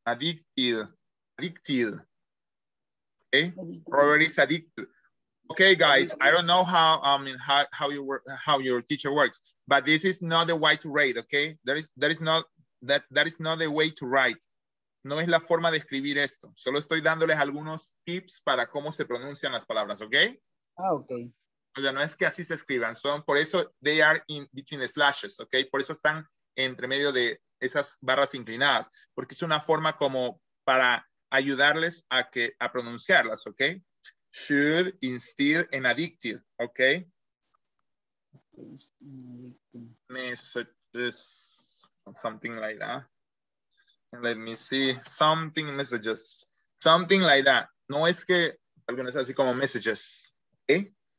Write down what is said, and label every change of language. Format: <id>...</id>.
<en>Addicted, addicted. Okay, Robert is addicted. Okay, guys, I don't know how your teacher works, but this is not the way to write. Okay, that is not the way to write.</en> <es>No es la forma de escribir esto. Solo estoy dándoles algunos tips para cómo se pronuncian las palabras. Okay. Ah, okay. O sea, no es que así se escriban, son por eso</es> <en>they are in between the slashes,</en> <es>¿ok? Por eso están entre medio de esas barras inclinadas, porque es una forma como para ayudarles a pronunciarlas, ¿ok?</es> <en>Should, instead, and addicted, ¿ok? Messages, something like that. Let me see, something messages, something like that.</en> <es>No es que algunos así como messages, ¿ok?</es>